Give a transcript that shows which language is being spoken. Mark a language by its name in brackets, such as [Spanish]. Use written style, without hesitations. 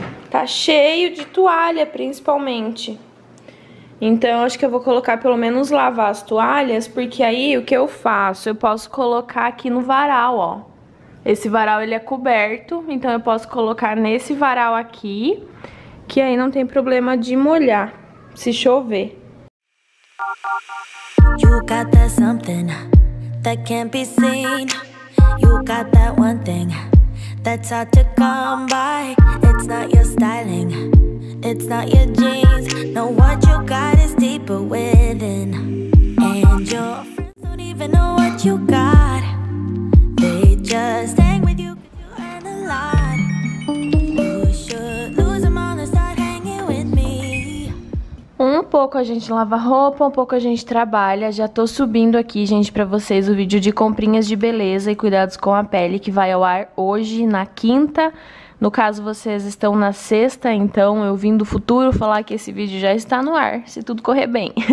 [Portuguese] Tá cheio de toalha, principalmente. Então, acho que eu vou colocar pelo menos lavar as toalhas, porque aí o que eu faço? Eu posso colocar aqui no varal, ó. Esse varal, ele é coberto, então eu posso colocar nesse varal aqui, que aí não tem problema de molhar, se chover. [English] You got that something that can't be seen. You got that one thing that's hard to come by. It's not your styling, it's not your jeans. No, what you got is deeper within. And your friends don't even know what you got. They just hang with you 'cause you earn a lot. You should lose them all and start hanging with me. [Portuguese] Um pouco pouco a gente lava roupa, um pouco a gente trabalha. Já tô subindo aqui, gente, para vocês o vídeo de comprinhas de beleza e cuidados com a pele que vai ao ar hoje na quinta. No caso, vocês estão na sexta, então eu vim do futuro falar que esse vídeo já está no ar, se tudo correr bem.